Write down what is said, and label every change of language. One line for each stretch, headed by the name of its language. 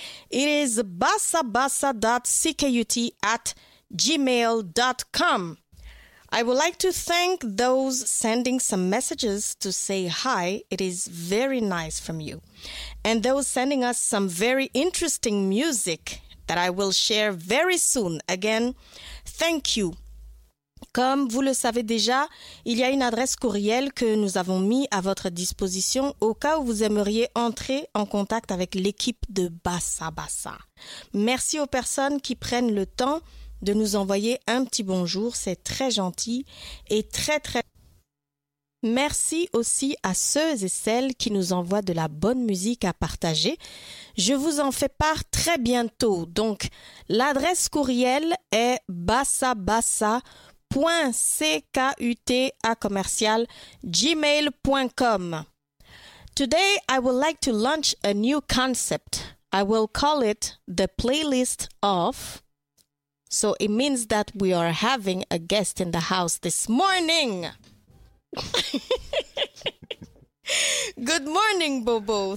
English: It is bassabassa.ckut@gmail.com. I would like to thank those sending some messages to say hi. It is very nice from you. And those sending us some very interesting music that I will share very soon. Again, thank you.
French: Comme vous le savez déjà, il y a une adresse courriel que nous avons mis à votre disposition au cas où vous aimeriez entrer en contact avec l'équipe de Bassa Bassa. Merci aux personnes qui prennent le temps de nous envoyer un petit bonjour, c'est très gentil et très très... Merci aussi à ceux et celles qui nous envoient de la bonne musique à partager. Je vous en fais part très bientôt. Donc, l'adresse courriel est bassabassa.ckut@gmail.com.
English: Today, I would like to launch a new concept. I will call it the playlist of... So it means that we are having a guest in the house this morning. Good morning, Bobo.